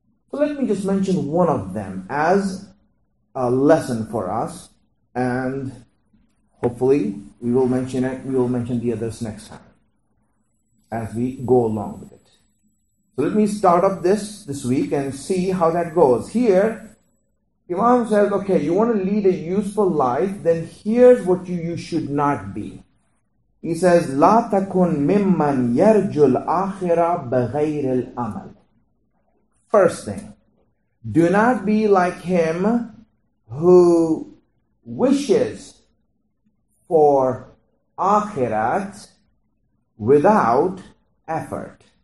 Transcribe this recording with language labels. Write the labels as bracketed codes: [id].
[en] So let me just mention one of them as a lesson for us, and hopefully we will mention it. We will mention the others next time as we go along with it. So let me start up this week and see how that goes. Here, Imam says, okay, you want to lead a useful life, then here's what you should not be. [ar] He says, لا تكن ممن يرجو الآخرة بغير الأمل. [en] First thing, do not be like him who wishes for akhirat without effort.